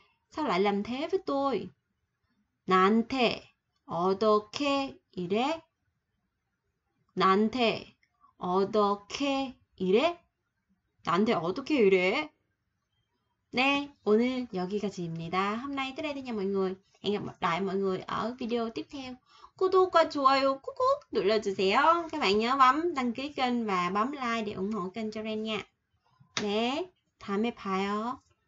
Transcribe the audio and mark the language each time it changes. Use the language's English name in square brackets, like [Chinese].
[Vietnamese] Sao lại làm thế với tôi? [Korean] 나한테 어떻게 이래? 나한테 어떻게 이래? 나한테 어떻게 이래? 네, 오늘 여기까지입니다. [Vietnamese] Hôm nay tới đây nha mọi người. Hẹn gặp lại mọi người ở video tiếp theo. [Korean] 구독과 좋아요 꾹꾹 눌러주세요. [Vietnamese] Các bạn nhớ bấm đăng ký kênh và bấm like để ủng hộ kênh cho Ren nha. [Korean] 네, 다음에 봐요.